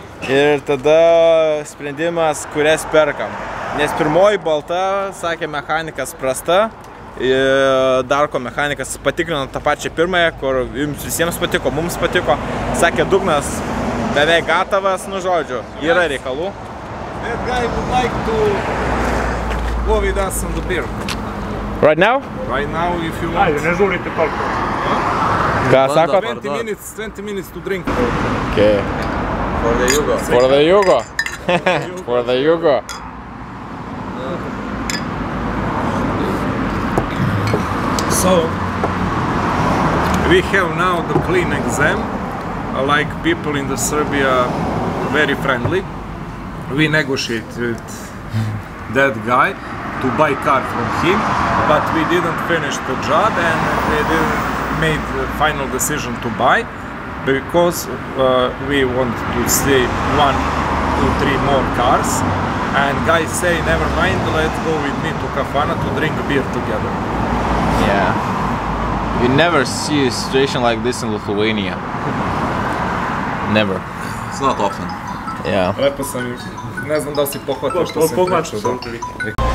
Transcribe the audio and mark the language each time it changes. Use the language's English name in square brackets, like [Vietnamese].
[Lithuanian] Ir tada sprendimas, kurias perkam. Nes pirmoji balta, sakė mechanikas, prasta. Darko mechanikas patikrino tą pačią pirmąją, kur jums visiems patiko, mums patiko. Sakė dugnas beveik gatavas, nu žodžiu, yra reikalų. [English] That guy would like to go with us on the pier. Right now? Right now, if you want. [Lithuanian] Ne žiūri, tai parko. Ką sako? [English] 20 minutes to drink. Okay. For the Yugo. For the Yugo. For the Yugo. So, we have now the clean exam. Like people in the Serbia, very friendly. We negotiated that guy to buy car from him, but we didn't finish the job and we didn't made the final decision to buy because we want to see 1-3 more cars. And guy say, never mind, let's go with me to Kafana to drink beer together. Yeah. You never see a situation like this in Lithuania. Never. It's not often. Yeah. [Serbian] Lepo sam, ne znam da li si pohvatio što sam pričao.